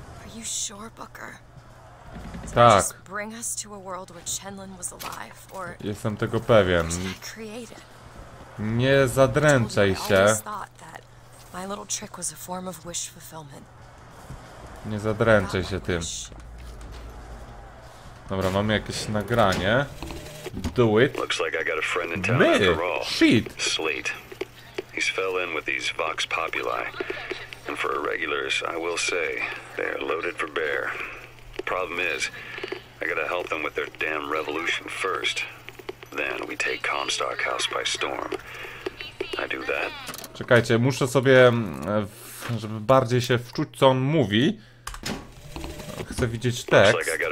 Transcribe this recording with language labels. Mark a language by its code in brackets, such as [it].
[en] Are you sure, Booker? [pl] Tak. [en] Bring us to a world where Chenlin was alive, or... [pl] Jestem tego pewien. Nie zadręczaj się. [en] My little trick was a form of wish fulfillment. [pl] Nie zadręczaj się tym. Dobra, mamy jakieś nagranie. [en] Do it. Looks like I got a friend in town after all. Shit. Sleet. He's fell in with these Vox Populi. And for irregulars, I will say, they're loaded for bear. Problem is, I gotta help them with their damn revolution first. Then we take Comstock House by storm. I do that. [pl] Czekajcie, muszę sobie, żeby bardziej się wczuć, co on mówi. Chcę widzieć tekst.